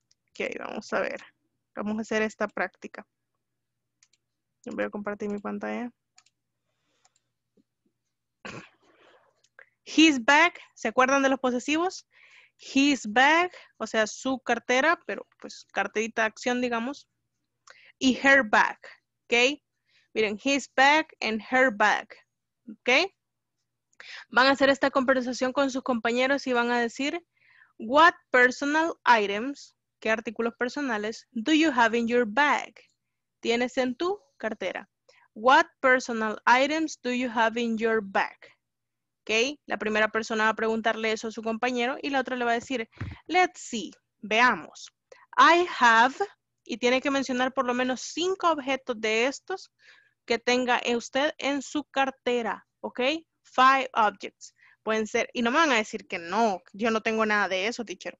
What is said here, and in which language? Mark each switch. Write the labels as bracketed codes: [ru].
[es] Ok, vamos a ver. Vamos a hacer esta práctica. Voy a compartir mi pantalla. [en] His bag. [es] ¿Se acuerdan de los posesivos? [en] His bag, [es] o sea, su cartera, pero pues carterita de acción, digamos. [en] Y her bag, ¿ok? Miren, his bag and her bag. [es] ¿ok? Van a hacer esta conversación con sus compañeros y van a decir, [en] what personal items, [es] qué artículos personales, [en] do you have in your bag? [es] ¿Tienes en tu cartera? [en] What personal items do you have in your bag? [es] ¿Ok? La primera persona va a preguntarle eso a su compañero y la otra le va a decir, [en] let's see, [es] veamos. [en] I have, [es] y tiene que mencionar por lo menos 5 objetos de estos que tenga usted en su cartera, ¿ok? [en] 5 objects. [es] Pueden ser, y no me van a decir que no, yo no tengo nada de eso, teacher.